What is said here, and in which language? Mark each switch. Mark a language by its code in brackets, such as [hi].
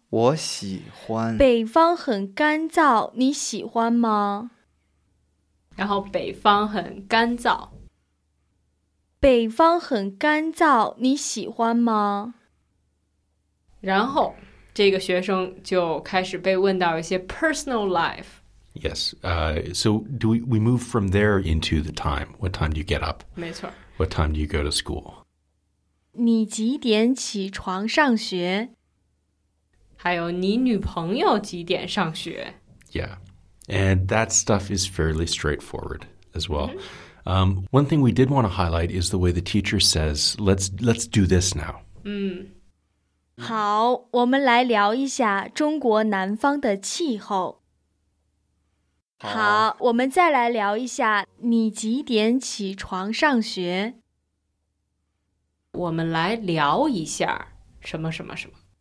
[zh] 我喜欢。北方很干燥,你喜欢吗? 然后北方很干燥。北方很干燥,你喜欢吗? 然后, 这个学生就开始被问到一些 [en] personal life. Yes. So do we move from there into the time? What time do you get up? [zh] 没错。 [en] What time do you go to school? [zh] 你几点起床上学？还有你女朋友几点上学？ Yeah. [en] And that stuff is fairly straightforward as well. Mm-hmm. One thing we did want to highlight is the way the teacher says, let's do this now. [zh] 好，我们来聊一下中国南方的气候。好，我们再来聊一下你几点起床上学。我们来聊一下什么什么什么。